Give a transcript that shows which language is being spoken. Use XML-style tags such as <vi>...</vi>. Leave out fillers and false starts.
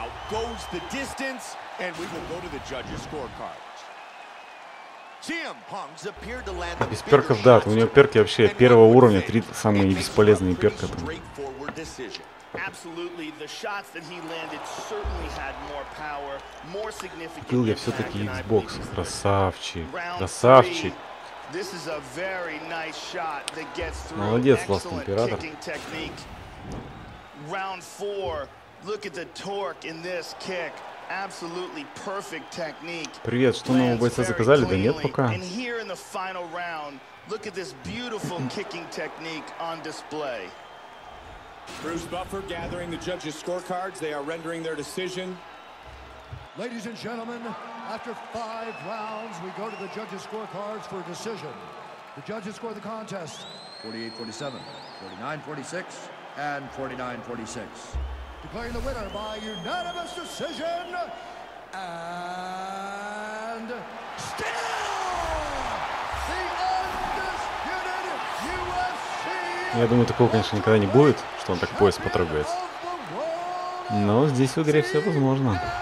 <en>Goes the distance, and we will go to the judges' scorecards. CM Punk's appeared to land the best perk of that.</en> <ru>У него перки вообще первого уровня, три самые небесполезные перки.</ru> <en>Straightforward decision. Absolutely, the shots that he landed certainly had more power, more significant.</en> <ru>Купил я все-таки Xbox, красавчик, красавчик.</ru> <en>This is a very nice shot that gets through.</en> <ru>Молодец, Ласт Император.</ru> <en>Round four. Look at the torque in this kick. Absolutely perfect technique.</en> <ru>Привет, что нового бойца заказали? Да нет пока.</ru> <en>And here in the final round, look at this beautiful kicking technique on display. Bruce Buffer gathering the judges' scorecards. They are rendering their decision. Ladies and gentlemen, after five rounds, we go to the judges' scorecards for a decision. The judges score the contest. 48-47, 49-46, and 49-46. Declaring the winner by unanimous decision, and still the undisputed UFC.</en> <ru>Я думаю, такого, конечно, никогда не будет, что он так пояс потрогает. Но здесь в игре все возможно.</ru>